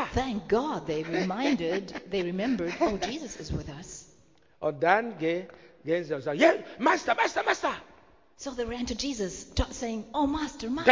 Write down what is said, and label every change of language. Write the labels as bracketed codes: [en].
[en] Thank God, they remembered, oh, Jesus is with us. [de] Und dann gehen sie und sagen, [en] yeah, Master, Master, Master. So they ran to Jesus, saying, oh, Master, Master.